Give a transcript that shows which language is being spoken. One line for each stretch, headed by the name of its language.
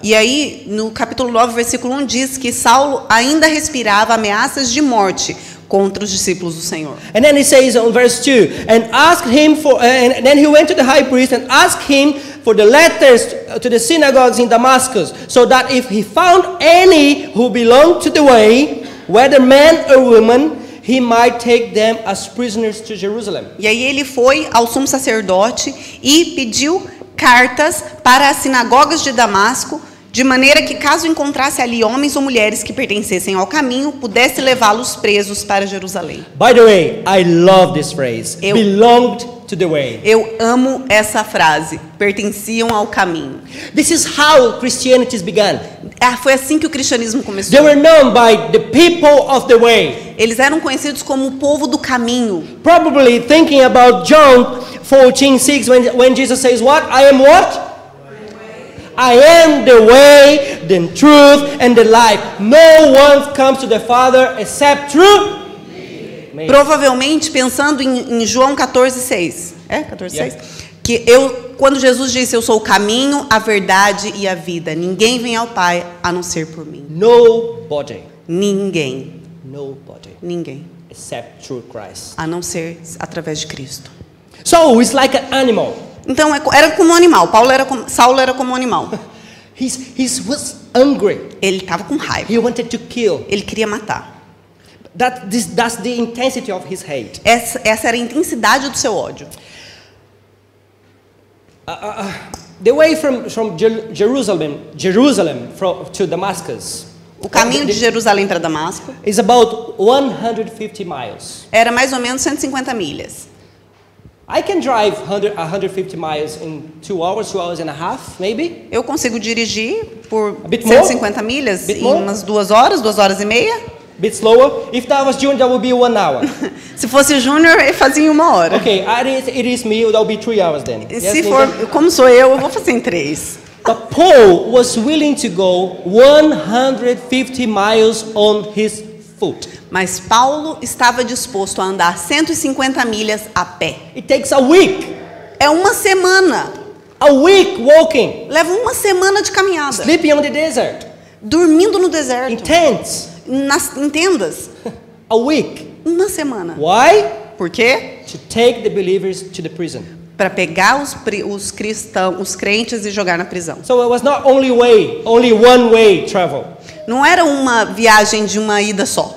Portuguese: E aí no capítulo 9 versículo 1 diz que Saulo ainda respirava ameaças de morte contra os discípulos do Senhor.
English: And then he says on verse 2, and asked him for and then he went to the high priest and asked him for the letters to the synagogues in Damascus, so that if he found any who belonged to the way, whether man or woman, he might take them as prisoners to Jerusalem.
Portuguese: E aí ele foi ao sumo sacerdote e pediu cartas para as sinagogas de Damasco, de maneira que caso encontrasse ali homens ou mulheres que pertencessem ao caminho, pudesse levá-los presos para Jerusalém.
English: By the way, I love this phrase. Belonged to the way.
Portuguese: Eu amo essa frase. Pertenciam ao caminho.
English: This is how Christianity began.
Portuguese: Foi assim que o cristianismo começou.
English: They were known by the people of the way.
Portuguese: Eles eram conhecidos como o povo do caminho.
English: Probably thinking about John 14:6, when Jesus says what? I am what? I am the way, the truth, and the life. No one comes to the Father except through me.
Portuguese: Provavelmente pensando em João 14:6. É? 14:6. Que eu, quando Jesus disse, eu sou o caminho, a verdade e a vida. Ninguém vem ao Pai a não ser por mim.
English: Nobody.
Portuguese: Ninguém.
English: Nobody.
Portuguese: Ninguém.
English: Except through Christ.
Portuguese: A não ser através de Cristo.
English: So it's like an animal.
Portuguese: Então era como um animal. Paulo era como, Saulo era como um animal.
English: He was angry.
Portuguese: Ele estava com raiva.
English: He wanted to kill.
Portuguese: Ele queria matar.
English: That's the intensity of his hate.
Portuguese: Essa era a intensidade do seu ódio.
English: The way from Jerusalem to Damascus.
Portuguese: O caminho de Jerusalém para Damasco.
English: Is about 150 miles.
Portuguese: Era mais ou menos 150 milhas.
English: I can drive 150 miles in 2 hours, 2 hours and a half, maybe.
Portuguese: Eu consigo dirigir por 150 milhas em umas 2 horas, 2 horas e meia.
English: A bit slower. If that was junior, that would be 1 hour.
Portuguese: Se fosse júnior, eu fazia em 1 hora.
English: Okay, it is me, that would be 3 hours then.
Portuguese: Se
English: yes, for, then.
Portuguese: Como sou eu vou fazer em 3.
English: But Paul was willing to go 150 miles on his foot.
Portuguese: Mas Paulo estava disposto a andar 150 milhas a pé.
English: It takes a week.
Portuguese: É uma semana.
English: A week walking.
Portuguese: Leva uma semana de caminhada.
English: Sleeping on the desert.
Portuguese: Dormindo no deserto.
English: In tents.
Portuguese: Em tendas.
English: A week.
Portuguese: Uma semana.
English: Why?
Portuguese: Por quê?
English: To take the believers to the prison.
Portuguese: Para pegar os cristãos, os crentes e jogar na prisão.
English: So it was not only way, only one way travel.
Portuguese: Não era uma viagem de uma ida só.